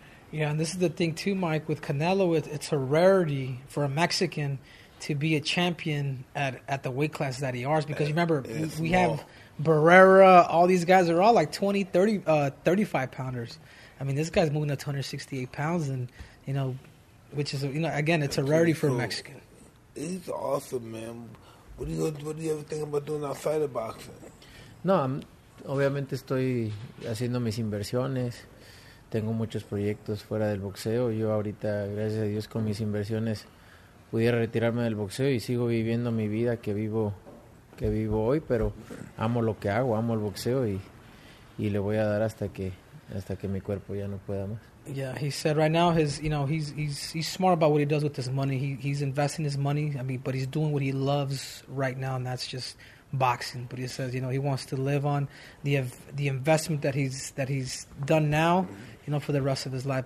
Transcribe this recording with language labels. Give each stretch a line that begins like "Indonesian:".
English: Yeah, and this is the thing too, Mike, with Canelo, it's a rarity for a Mexican to be a champion at the weight class that he is, because remember, we have Barrera, all these guys are all like 20, 30, 35 pounders. I mean, this guy's moving up to 168 pounds, and, you know, which is, you know, again, it's a rarity for a Mexican. He's awesome, man. What do you ever think about doing outside of boxing?
Spanish: No, obviamente estoy haciendo mis inversiones. Tengo muchos proyectos fuera del boxeo. Yo ahorita, gracias a Dios, con mis inversiones pudiera retirarme del boxeo y sigo viviendo mi vida que vivo hoy, pero amo lo que hago, amo el boxeo y le voy a dar hasta que mi cuerpo ya no pueda más.
English: Yeah, he said right now he's smart about what he does with his money. He's investing his money, but he's doing what he loves right now, and that's just boxing. But he says, you know, he wants to live on the investment that he's done now, you know, for the rest of his life.